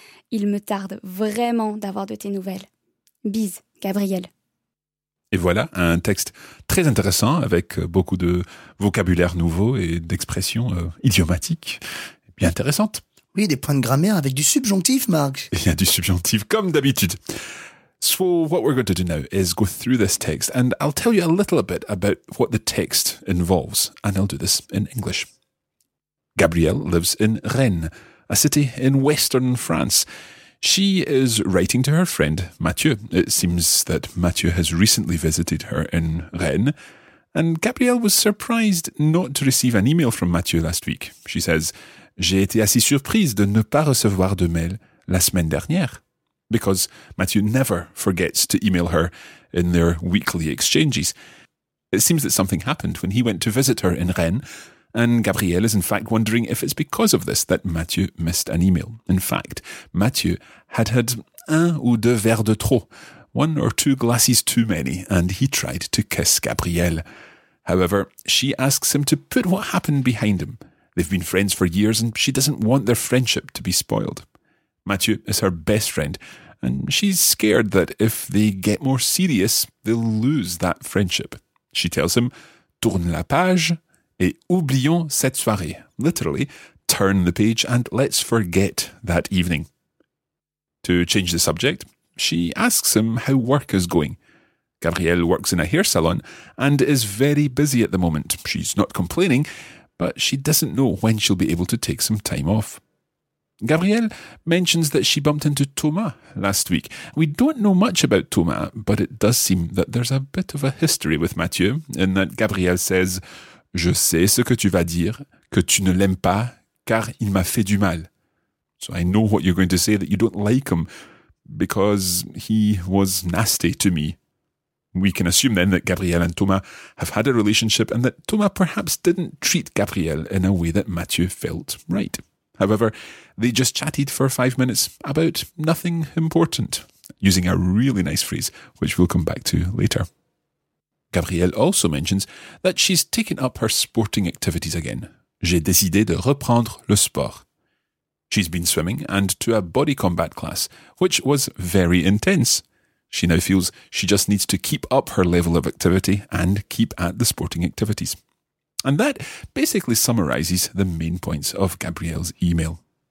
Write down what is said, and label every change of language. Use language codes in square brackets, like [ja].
[fr] Il me tarde vraiment d'avoir de tes nouvelles. Bise, Gabriel. Et voilà, un texte très intéressant avec beaucoup de vocabulaire nouveau et d'expressions idiomatiques bien intéressantes. Oui, des points de grammaire avec du subjonctif, Marc. Il y a du subjonctif, comme d'habitude. [en] So what we're going to do now is go through this text and I'll tell you a little bit about what the text involves. And I'll do this in English. Gabrielle lives in Rennes, a city in western France. She is writing to her friend Mathieu. It seems that Mathieu has recently visited her in Rennes And Gabrielle was surprised not to receive an email from Mathieu last week. She says, [fr] j'ai été assez surprise de ne pas recevoir de mail la semaine dernière. [en] Because Mathieu never forgets to email her in their weekly exchanges. It seems that something happened when he went to visit her in Rennes, and Gabrielle is in fact wondering if it's because of this that Mathieu missed an email. In fact, Mathieu had had [fr] un ou deux verres de trop, [en] one or two glasses too many, and he tried to kiss Gabrielle. However, she asks him to put what happened behind him. They've been friends for years and she doesn't want their friendship to be spoiled. Mathieu is her best friend, and she's scared that if they get more serious, they'll lose that friendship. She tells him, [fr] tourne la page et oublions cette soirée. [en] Literally, turn the page and let's forget that evening. To change the subject, she asks him how work is going. Gabrielle works in a hair salon and is very busy at the moment. She's not complaining, but she doesn't know when she'll be able to take some time off. Gabrielle mentions that she bumped into Thomas last week. We don't know much about Thomas, but it does seem that there's a bit of a history with Mathieu, in that Gabrielle says, [fr] je sais ce que tu vas dire, que tu ne l'aimes pas, car il m'a fait du mal. [en] So I know what you're going to say, that you don't like him, because he was nasty to me. We can assume then that Gabrielle and Thomas have had a relationship and that Thomas perhaps didn't treat Gabrielle in a way that Mathieu felt right. However, they just chatted for 5 minutes about nothing important, using a really nice phrase, which we'll come back to later. Gabrielle also mentions that she's taken up her sporting activities again. [fr] J'ai décidé de reprendre le sport. [en] She's been swimming and to a body combat class, which was very intense. She now feels she just needs to keep up her level of activity and keep at the sporting activities. And that basically summarizes the main points of Gabrielle's email.